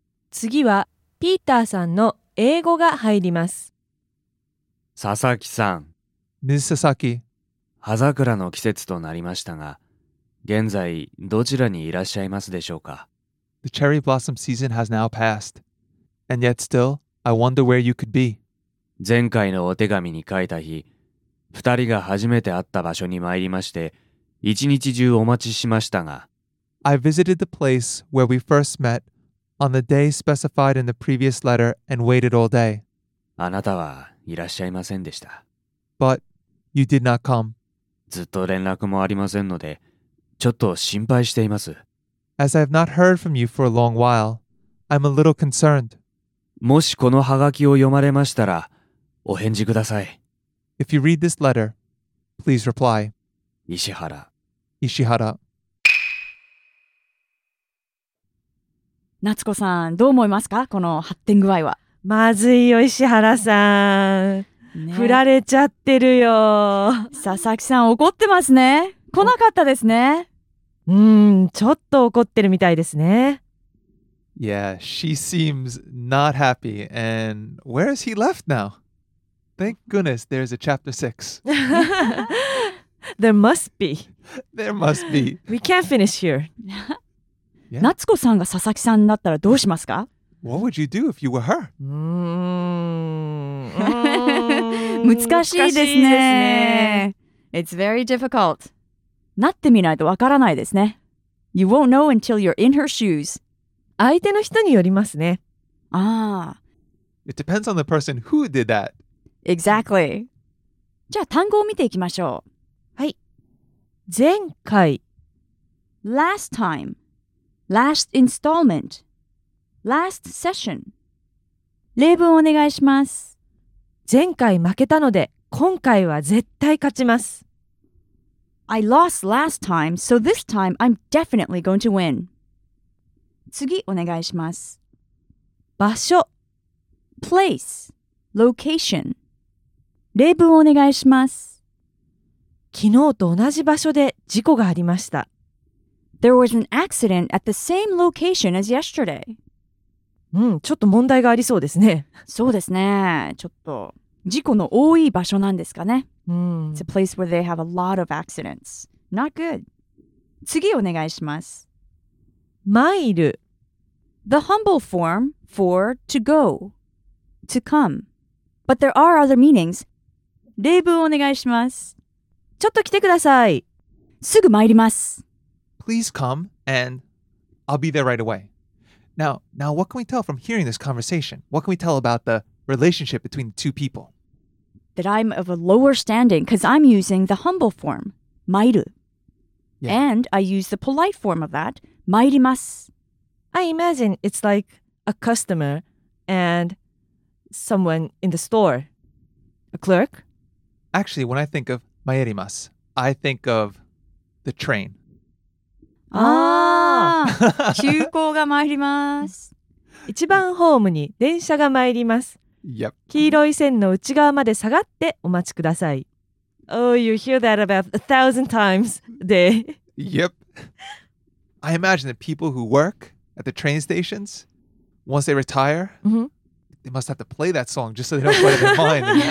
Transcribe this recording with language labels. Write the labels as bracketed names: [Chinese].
[Japanese] 次はピーターさんの英語が入ります。佐々木さん。 [English] Miss Sasaki。 [Japanese] 葉桜の季節となりましたが、現在どちらにいらっしゃいますでしょうか。 [English] The cherry blossom season has now passed. And yet still, I wonder where you could be. [Japanese] 前回のお手紙に書いた日、二人が初めて会った場所に参りまして、一日中お待ちしましたが。 [English] I visited the place where we first met on the day specified in the previous letter and waited all day. [Japanese] あなたはいらっしゃいませんでした。 [English] But you did not come. [Japanese] ずっと連絡もありませんので、ちょっと心配しています。 [English] As I have not heard from you for a long while, I'm a little concerned. [Japanese] もしこのハガキを読まれましたら、お返事ください。 [English] If you read this letter, please reply. [Japanese] 石原。石原。夏子さん、どう思いますか？この発展具合は。まずいよ、石原さん。振られちゃってるよ。佐々木さん、怒ってますね。来なかったですね。ちょっと怒ってるみたいですね。 [English] Yeah, she seems not happy. And where is he left now? Thank goodness there's a chapter 6. There must be. There must be. We can't finish here. Yeah. [Japanese] 夏子さんが佐々木さんだったらどうしますか? [English] What would you do if you were her? [Japanese] 難しいですね。 [English] It's very difficult. [Japanese] なってみないとわからないですね。 [English] You won't know until you're in her shoes. [Japanese] 相手の人によりますね。ああ。 [English] It depends on the person who did that. Exactly. [Japanese] じゃあ単語を見ていきましょう。はい。前回。 [English] Last time. Last installment. Last session. [Japanese] 例文お願いします。前回負けたので、今回は絶対勝ちます。 [English] I lost last time, so this time I'm definitely going to win. [Japanese] 次お願いします。場所。 [English] Place. Location. [Japanese] 例文お願いします。昨日と同じ場所で事故がありました。 [English] There was an accident at the same location as yesterday. [Japanese] ちょっと問題がありそうですね。そうですね。ちょっと事故の多い場所なんですかね。 [English] It's a place where they have a lot of accidents. Not good. [Japanese] 次お願いします。マイル。 [English] The humble form for to go, to come. But there are other meanings. [Japanese] 例文お願いします。ちょっと来てください。すぐ参ります。 [English] Please come, and I'll be there right away. Now, what can we tell from hearing this conversation? What can we tell about the relationship between the two people? That I'm of a lower standing, because I'm using the humble form, maeru. Yeah. And I use the polite form of that, maerimasu. I imagine it's like a customer and someone in the store. A clerk? Actually, when I think of maerimasu, I think of the train. [Japanese] 急行が参ります。一番ホームに電車が参ります。 Yep. 黄色い線の内側まで下がってお待ちください。 [English] Oh, you hear that about 1,000 times a day. Yep. I imagine that people who work at the train stations, once they retire,、 mm-hmm. they must have to play that song just so they don't play their mind.